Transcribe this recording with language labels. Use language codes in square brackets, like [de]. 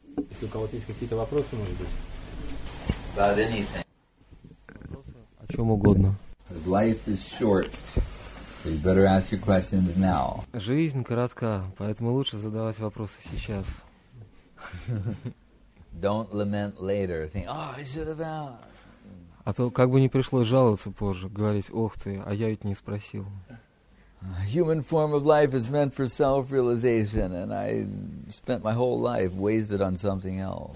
[ru] Если у кого-то есть какие-то вопросы, может быть? [en] About anything. [ru] О чем угодно. [en] Life is short, so you better ask your questions now. [ru] Жизнь коротка, поэтому лучше задавать вопросы сейчас. [en] Don't lament later. Think, oh, I should have asked. [ru] А то как бы не пришлось жаловаться позже, говорить, ох ты, а я ведь не спросил. [en] Human form of life is meant for self-realization, and I spent my whole life wasted on something else.